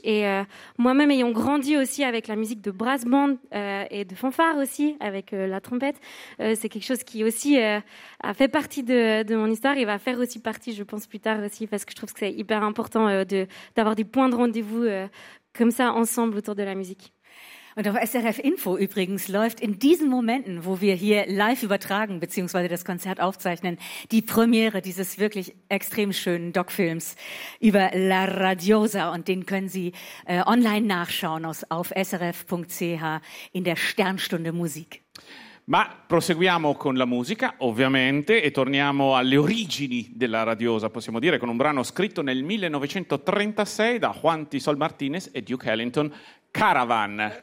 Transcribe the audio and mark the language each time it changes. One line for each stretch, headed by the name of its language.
French: Et moi-même, ayant grandi aussi avec la musique de brass band et de fanfare aussi, avec la trompette, c'est quelque chose qui aussi a fait partie de mon histoire et va faire aussi partie, je pense, plus tard aussi, parce que je trouve que c'est hyper important d'avoir des points de rendez-vous comme ça, ensemble autour de la musique.
German: Und auf SRF Info übrigens läuft in diesen Momenten, wo wir hier live übertragen bzw. das Konzert aufzeichnen, die Premiere dieses wirklich extrem schönen Doc-Films über La Radiosa. Und den können Sie online nachschauen auf srf.ch in der Sternstunde Musik.
Italian: Ma proseguiamo con la musica, ovviamente, e torniamo alle origini della radiosa, possiamo dire, con un brano scritto nel 1936 da Juan Tisol Martinez e Duke Ellington, Caravan.